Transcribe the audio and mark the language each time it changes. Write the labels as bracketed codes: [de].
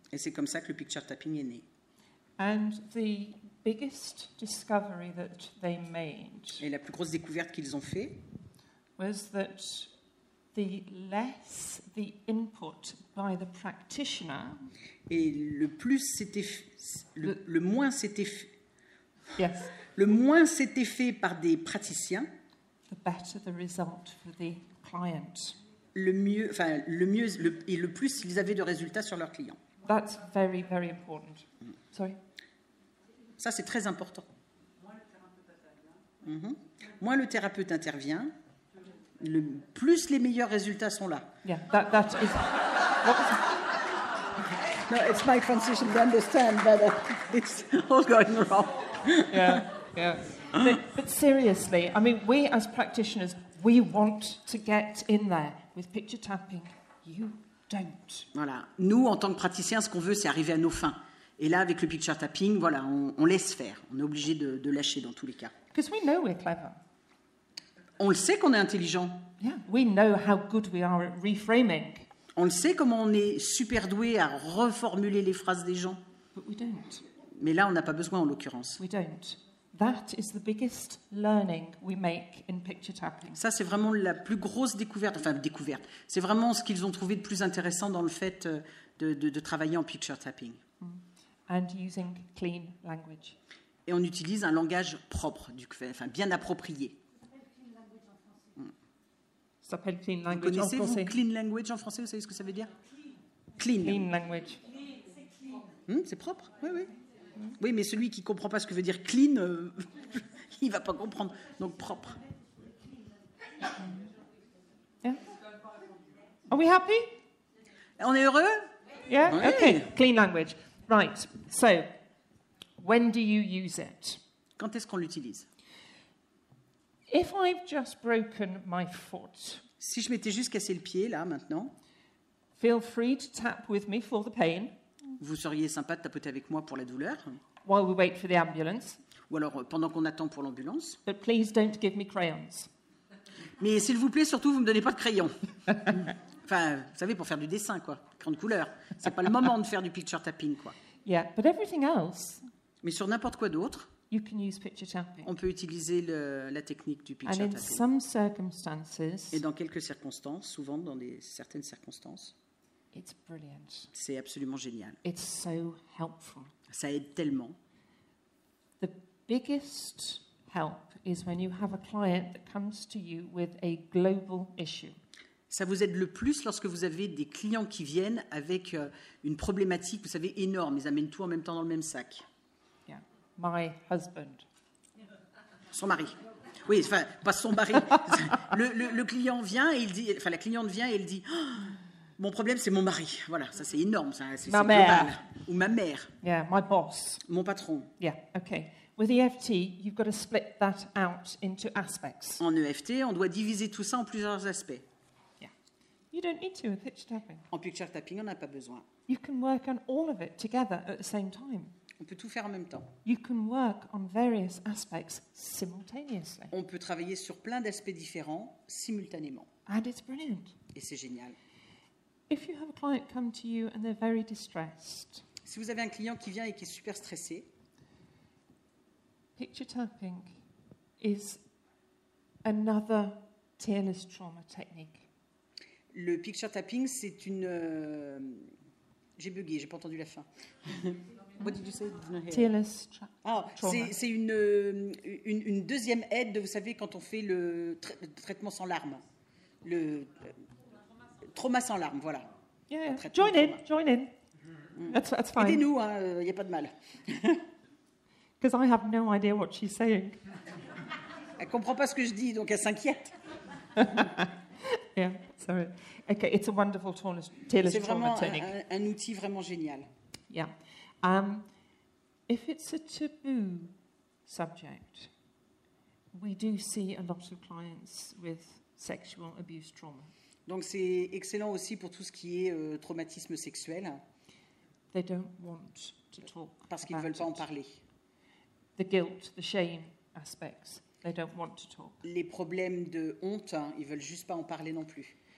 [fr] Et c'est comme ça que le picture tapping est né. [en] And the biggest discovery that they made. [fr] Et la plus grosse découverte qu'ils ont fait. [en] was that the less the input by the practitioner, [fr] et le plus c'était le moins c'était fait, [en] yes, [fr] le moins c'était fait par des praticiens, [en] the better the result for the client, [fr] le mieux, enfin le mieux, le, et le plus ils avaient de résultats sur leurs clients. [en] That's very very important. Sorry. [fr] Ça c'est très important. Mm-hmm. Moins le thérapeute intervient, le plus les meilleurs résultats sont là. [en] Yeah, that is. No, it's my transition to understand that it's all going wrong. Yeah, yeah. But seriously, I mean, we as practitioners, we want to get in there with picture tapping. You don't. [fr] Voilà. Nous, en tant que praticiens, ce qu'on veut, c'est arriver à nos fins. Et là, avec le picture tapping, voilà, on laisse faire. On est obligé de lâcher dans tous les cas. [en] Because we know we're clever. [fr] On le sait qu'on est intelligent. [en] Yeah, we know how good we are at reframing. [fr] On le sait comment on est super doué à reformuler les phrases des gens. [en] But we don't. [fr] Mais là, on n'a pas besoin en l'occurrence. [en] We don't. That is the biggest learning we make in picture tapping. [fr] Ça, c'est vraiment la plus grosse découverte. Enfin, découverte. C'est vraiment ce qu'ils ont trouvé de plus intéressant dans le fait de travailler en picture tapping. [en] And using clean language. [fr] Et on utilise un langage propre, enfin bien approprié. Ça s'appelle clean language en français. Vous connaissez-vous clean language en français? Vous savez ce que ça veut dire? Clean. Clean language. C'est clean. C'est propre? Oui, oui. Oui, mais celui qui ne comprend pas ce que veut dire clean, il ne va pas comprendre. Donc propre. [en] Yeah. Are we happy? [fr] On est heureux? [en] Yeah. [fr] Oui. [en] Okay. Clean language. Right. So. When do you use it? [fr] Quand est-ce qu'on l'utilise? [en] If I've just broken my foot. [fr] Si je m'étais juste cassé le pied là maintenant. [en] Feel free to tap with me for the pain. [fr] Vous seriez sympa de tapoter avec moi pour la douleur. [en] While we wait for the ambulance. [fr] Ou alors pendant qu'on attend pour l'ambulance. [en] But please don't give me crayons. [fr] Mais s'il vous plaît, surtout vous me donnez pas de crayons. Enfin, vous savez, pour faire du dessin quoi, crayon de couleur. C'est pas le moment de faire du picture tapping quoi. [en] Yeah, but everything else. [fr] Mais sur n'importe quoi d'autre, [en] you can use picture tapping. [fr] On peut utiliser la technique du picture [en] and in tapping. Some circumstances, [fr] et dans quelques circonstances, souvent dans certaines circonstances, [en] it's brilliant. [fr] C'est absolument génial. [en] It's so helpful. [fr] Ça aide tellement. [en] The biggest help is when you have a client that comes to you with a global issue. [fr] Ça vous aide le plus lorsque vous avez des clients qui viennent avec une problématique, vous savez, énorme. Ils amènent tout en même temps dans le même sac. [en] My husband. [fr] Son mari. Oui, enfin, pas son mari. Le client vient et il dit, enfin, la cliente vient et elle dit, oh, mon problème, c'est mon mari. Voilà, ça, c'est énorme. Ça, c'est ma [en] global. [fr] Mère. Ou ma mère. [en] Yeah, my boss. [fr] Mon patron. [en] Yeah, okay. With EFT, you've got to split that out into aspects. [fr] En EFT, on doit diviser tout ça en plusieurs aspects. [en] Yeah. You don't need to with picture tapping. [fr] En picture tapping, on n'a pas besoin. [en] You can work on all of it together at the same time. [fr] On peut tout faire en même temps. [en] You can work on various aspects simultaneously. [fr] On peut travailler sur plein d'aspects différents simultanément. [en] And it's brilliant. [fr] Et c'est génial. [en] If you have a client come to you and they're very distressed. [fr] Si vous avez un client qui vient et qui est super stressé. [en] Picture tapping is another tearless trauma technique. [fr] Le picture tapping, c'est une j'ai bugué, j'ai pas entendu la fin. [en] What did you say? Tearless trauma. [fr] Ah, c'est une deuxième aide, vous savez, quand on fait le traitement sans larmes. Le trauma sans larmes, voilà. [en] Yeah. Join in. That's fine. [fr] Aidez-nous, hein, y a pas de mal. [en] Because I have no idea what she's saying. [fr] Elle comprend pas ce que je dis, donc elle s'inquiète. [en] Yeah, sorry. Okay, it's a wonderful tearless trauma technique. [fr] C'est vraiment un outil vraiment génial. [en] Yeah. If it's a taboo subject, we do see a lot of clients with sexual abuse trauma. [fr] Donc c'est excellent aussi pour tout ce qui est traumatisme sexuel. [en] They don't want to talk. [fr] Parce qu'ils veulent pas en parler. [en] The guilt, the shame aspects. They don't want to talk. [fr] Les problèmes de honte, hein, ils veulent juste pas en parler non plus.